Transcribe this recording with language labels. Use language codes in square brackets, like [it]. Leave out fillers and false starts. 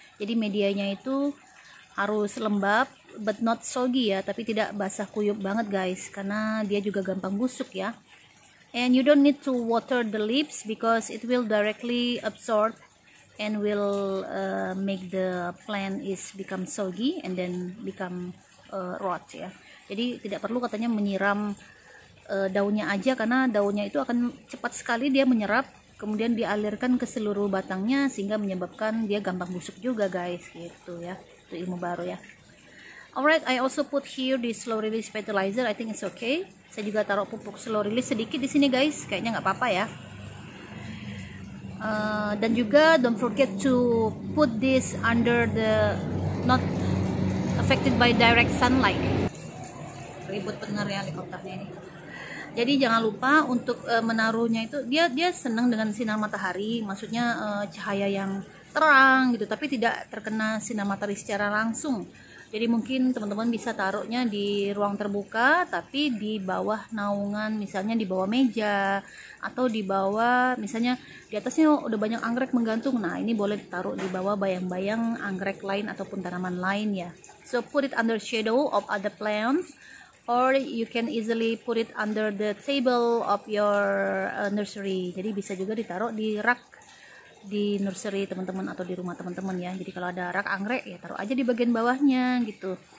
[id] Jadi medianya itu harus lembab, [en] but not soggy [id] ya, tapi tidak basah kuyup banget guys, karena dia juga gampang busuk ya. [en] And you don't need to water the leaves because it will directly absorb and will make the plant is become soggy and then become rot ya. [id] Jadi tidak perlu katanya menyiram daunnya aja, karena daunnya itu akan cepat sekali dia menyerap, kemudian dialirkan ke seluruh batangnya sehingga menyebabkan dia gampang busuk juga guys, gitu ya. Itu ilmu baru ya. [en] Alright, I also put here the slow release fertilizer. I think it's okay. [id] Saya juga taruh pupuk slow release sedikit di sini, guys. Kayaknya nggak apa-apa ya. Dan juga [en] don't forget to put this under the not affected by direct sunlight. [id] Ribut bener ya helikopternya ini. Jadi jangan lupa untuk menaruhnya itu, dia senang dengan sinar matahari, maksudnya cahaya yang terang gitu, tapi tidak terkena sinar matahari secara langsung. Jadi mungkin teman-teman bisa taruhnya di ruang terbuka, tapi di bawah naungan, misalnya di bawah meja, atau di bawah, misalnya di atasnya udah banyak anggrek menggantung, nah ini boleh ditaruh di bawah bayang-bayang anggrek lain ataupun tanaman lain ya. [en] So put it under shadow of other plants, or you can easily put it under the table of your nursery. [id] Jadi bisa juga ditaruh di rak di nursery teman-teman atau di rumah teman-teman ya. Jadi kalau ada rak anggrek ya taruh aja di bagian bawahnya gitu.